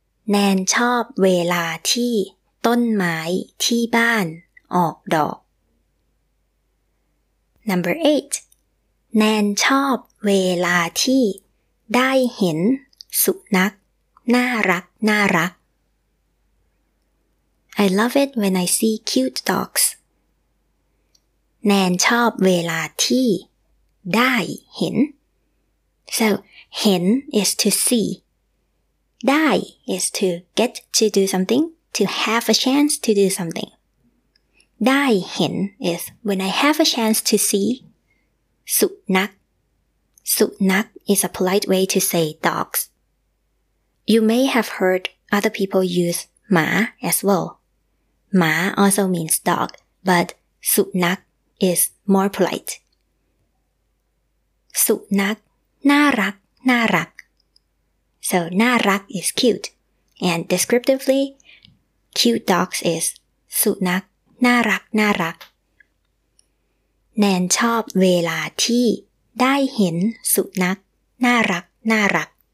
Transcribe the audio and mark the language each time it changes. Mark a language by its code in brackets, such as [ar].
[th] แนนชอบเวลาที่ต้นไม้ที่บ้านออกดอก [en] Number 8. [th] แนนชอบเวลาที่ได้เห็นสุนัขน่ารักน่ารัก [en] I love it when I see cute dogs. [th] แนนชอบเวลาที่ได้เห็น [en] So, hen is to see. Dai is to get to do something, to have a chance to do something. Dai hen is when I have a chance to see. Sunak. Sunak is a polite way to say dogs. You may have heard other people use ma as well. Ma also means dog, but sunak is more polite. Sunak. [th] น่ารักน่ารัก so น่ารัก [en] is cute and descriptively cute dogs is [th] สุนัขน่ารักน่ารักแนนชอบเวลาที่ได้เห็นสุนัขน่ารักน่ารัก